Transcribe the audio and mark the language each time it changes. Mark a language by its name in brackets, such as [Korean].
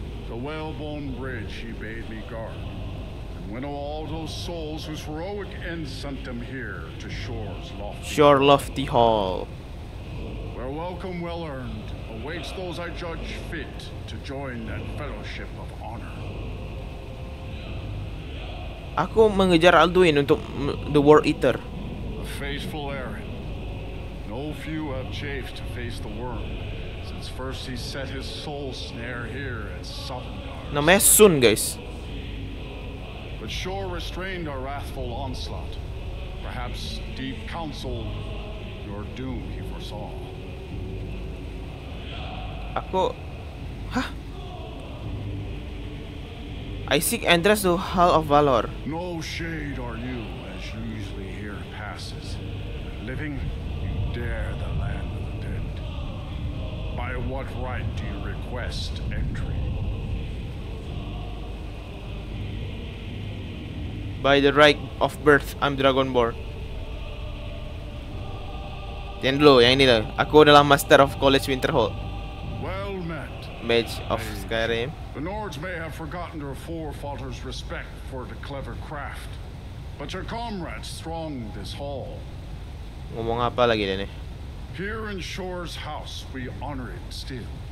[English] The well-born bridge he bade me guard. Winnow all those souls whose heroic end sent them here to shore's lofty shore lofty hall. Where welcome well earned awaits those I judge fit to join that fellowship of honor. [Indonesian] Aku mengejar Alduin untuk the World Eater. [English] A faithful errand. No few have chafed to face the worm since first he set his soul snare here at Sovngarde. [Indonesian] Namanya Sun, guys. [English] But Shore restrained our wrathful onslaught. Perhaps deep counseled your doom he foresaw. [Indonesian] Aku... Hah? [English] I seek entrance to Hall of Valor. No shade are you, as usually here passes. Living, you dare the land of the dead. By what right do you request entry? By the right of birth, I'm Dragonborn. [Indonesian] Tian dulu, yang ini lah. Aku adalah Master of College Winterhold. [English] Well met. Mage of Skyrim. The Nords may have forgotten their forefathers' respect for the clever craft, but your comrades throng this hall. [Indonesian] Ngomong apa lagi ini? [English] Here in Shore's house, we honor it still.